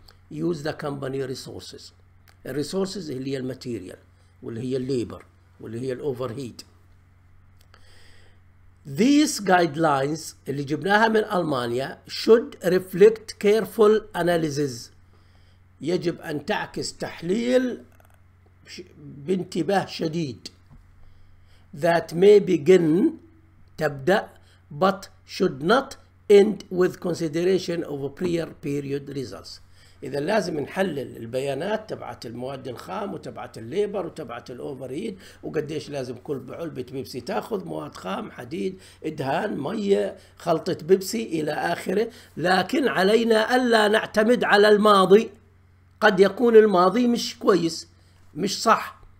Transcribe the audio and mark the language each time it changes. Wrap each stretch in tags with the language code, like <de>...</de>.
<en>use the company resources,</en> <ar>الريسورسز اللي هي الماتيريال واللي هي الليبر واللي هي الاوفر هيت.</ar> <en>These guidelines</en> <ar>اللي جبناها من ألمانيا</ar> <en>should reflect careful analysis،</en> <ar>يجب أن تعكس تحليل بانتباه شديد.</ar> <en>That may begin</en> <ar>تبدأ</ar> <en>but should not end with consideration of prior period results.</en> <ar>إذا لازم نحلل البيانات تبعت المواد الخام وتبعت الليبر وتبعت الأوفريد وقديش لازم كل علبة بيبسي تاخذ مواد خام حديد إدهان مية خلطة بيبسي إلى آخره، لكن علينا ألا نعتمد على الماضي، قد يكون الماضي مش كويس مش صح.</ar>